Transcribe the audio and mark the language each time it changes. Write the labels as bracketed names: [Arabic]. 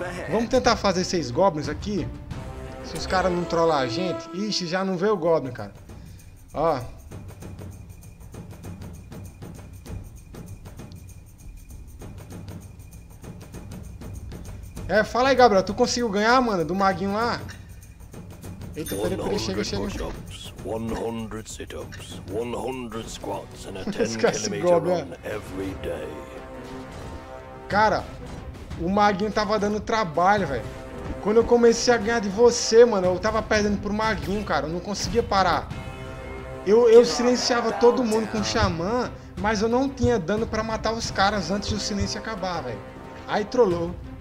[Portuguese] Vamos tentar fazer 6 goblins aqui. Se os caras não trollar a gente. Ixi, já não veio o goblin, cara. Ó. É, fala aí, Gabriel. Tu conseguiu ganhar, mano? Do maguinho lá? Eita, peraí, chega, chega. [English] 100 sit-ups, 100 squats and a 10 km run every day. [Portuguese] Cara, o Maguinho tava dando trabalho, velho. Quando eu comecei a ganhar de você, mano, eu tava perdendo pro Maguinho, cara. Eu não conseguia parar. Eu silenciava todo mundo com o Xamã, mas eu não tinha dano pra matar os caras antes do silêncio acabar, velho. Aí trollou.